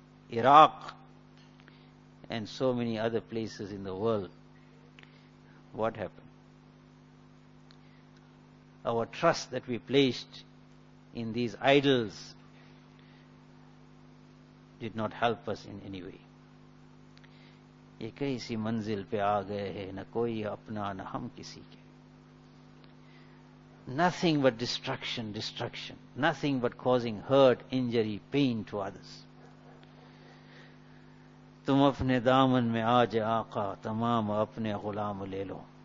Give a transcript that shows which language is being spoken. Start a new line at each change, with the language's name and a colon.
English: Iraq and so many other places in the world. What happened? Our trust that we placed in these idols did not help us in any way.
Hindi: ये कैसी मंजिल पे आ गए हैं न कोई अपना न हम किसी के.
English: Nothing but destruction, destruction. Nothing but causing hurt, injury, pain to others.
Hindi: तुम अपने दामन में आ जा आका तमाम अपने गुलाम ले लो.